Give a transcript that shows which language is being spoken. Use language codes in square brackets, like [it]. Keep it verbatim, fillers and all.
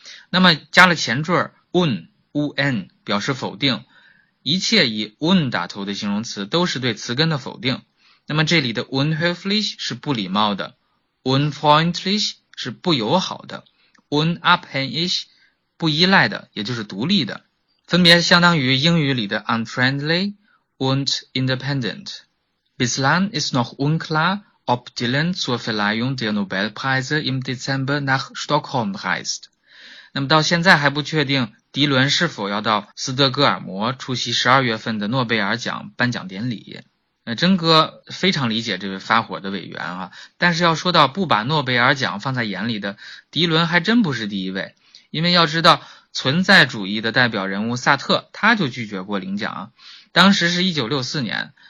[zh] 那么加了前缀 un un 表示否定，一切以 un 打头的形容词都是对词根的否定。那么这里的 unhöflich 是不礼貌的， unfreundlich 是不友好的， unabhängig 不依赖的，也就是独立的，分别相当于英语里的 unfriendly und independent。 [de] Bislang ist noch unklar, ob Dylan zur Verleihung der Nobelpreise im Dezember nach Stockholm reist。 [zh] 那么到现在还不确定迪伦是否要到斯德哥尔摩出席十二月份的诺贝尔奖颁奖典礼。呃，真哥非常理解这位发火的委员啊，但是要说到不把诺贝尔奖放在眼里的迪伦还真不是第一位，因为要知道存在主义的代表人物萨特他就拒绝过领奖，当时是一九六四年。